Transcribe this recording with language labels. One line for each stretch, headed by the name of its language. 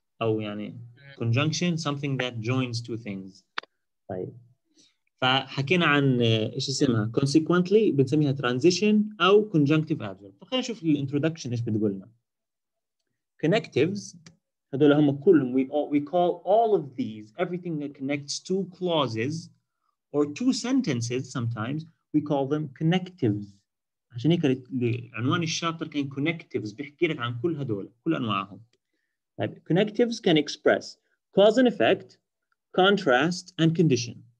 Arabic: أو يعني
English: conjunction something that joins two things.
Arabic: طيب. فحكينا عن إيش اسمها consequently بنسميها transition أو conjunctive adverb. فخلينا نشوف
English: ال introduction
Arabic: إيش بتقولنا.
English: connectives
Arabic: هذول هم كلهم
English: we call all of these everything that connects two clauses or two sentences sometimes we call them connectives.
Arabic: عشان هيك عنوان الشابتر كان connectives بيحكي لك عن كل هذول كل أنواعهم.
English: طيب connectives can express cause and effect, contrast and condition.